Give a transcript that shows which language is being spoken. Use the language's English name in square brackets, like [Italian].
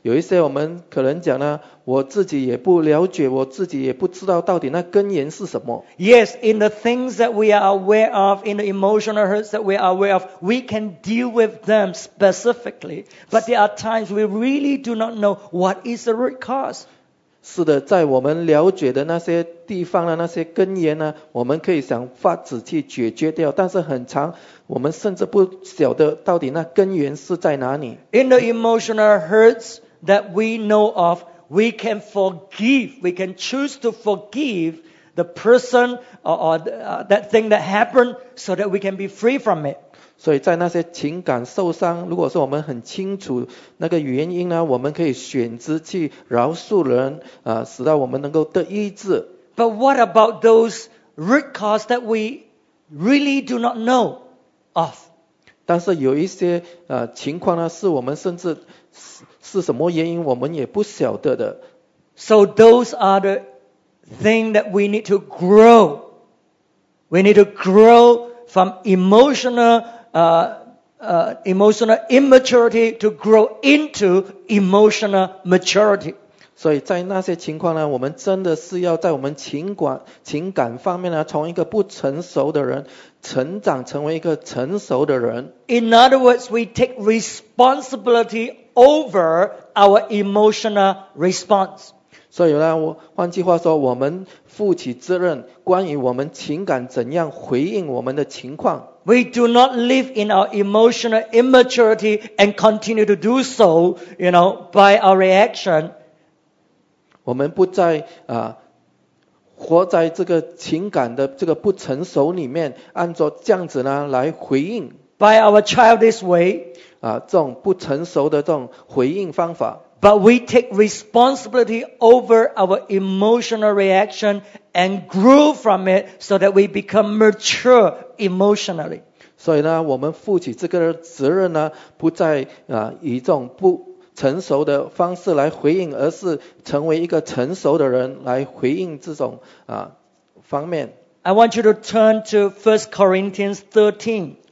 [Chinese] 有一些我们可能讲呢，我自己也不了解，我自己也不知道到底那根源是什么。 [English] Yes, in the things that we are aware of, in the emotional hurts that we are aware of, we can deal with them specifically. But there are times we really do not know what is the root cause. [Chinese] 是的，在我们了解的那些地方的那些根源呢，我们可以想法子去解决掉，但是很长我们甚至不晓得到底那根源是在哪里。 [English] In the emotional hurts that we know of, we can forgive, we can choose to forgive the person or that thing that happened so that we can be free from it. [Chinese] 所以在那些情感受伤，如果说我们很清楚那个原因呢，我们可以选择去饶恕人，使到我们能够得医治。 [English] But what about those root causes that we really do not know of? [Chinese] 但是有一些情况呢，是我们甚至是什么原因我们也不晓得的。 [English] So those are the things that we need to grow. We need to grow from emotional immaturity to grow into emotional maturity. [Chinese] 所以在那些情况呢，我们真的是要在我们情感方面呢，从一个不成熟的人成长成为一个成熟的人。 [English] In other words, we take responsibility over our emotional response. [Chinese] 所以呢，换句话说，我们负起责任，关于我们情感怎样回应我们的情况。 [English] We do not live in our emotional immaturity and continue to do so, you know, by our reaction. [Chinese] 我们不再活在这个情感的这个不成熟里面，按照这样子呢来回应。 [English] By our childish way. [Chinese] 这种不成熟的这种回应方法。 [English] But we take responsibility over our emotional reaction and grow from it so that we become mature emotionally. [Chinese] 所以呢，我们负起这个责任呢，不再以这种不成熟的方式来回应，而是成为一个成熟的人来回应这种方面。 [English] I want you to turn to 1 Corinthians 13.